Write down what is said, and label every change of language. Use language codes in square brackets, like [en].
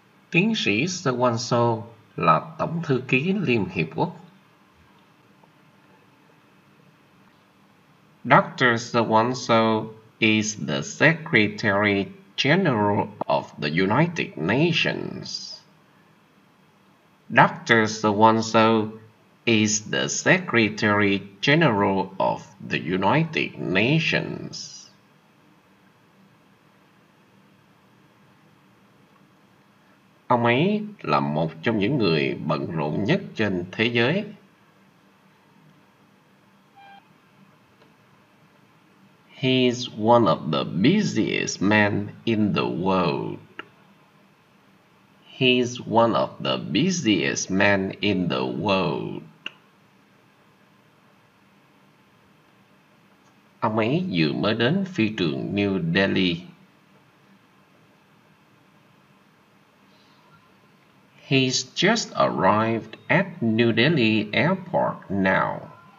[vi] Tiến sĩ Sawanso là Tổng Thư ký Liên Hiệp Quốc. [en] Dr. Sawanso is the Secretary General of the United Nations. Dr. Sawanso is the Secretary General of the United Nations. [vi] Ông ấy là một trong những người bận rộn nhất trên thế giới. [en] He's one of the busiest men in the world. He's one of the busiest men in the world. [vi] Ông ấy vừa mới đến phi trường New Delhi. [en] He's just arrived at New Delhi Airport now.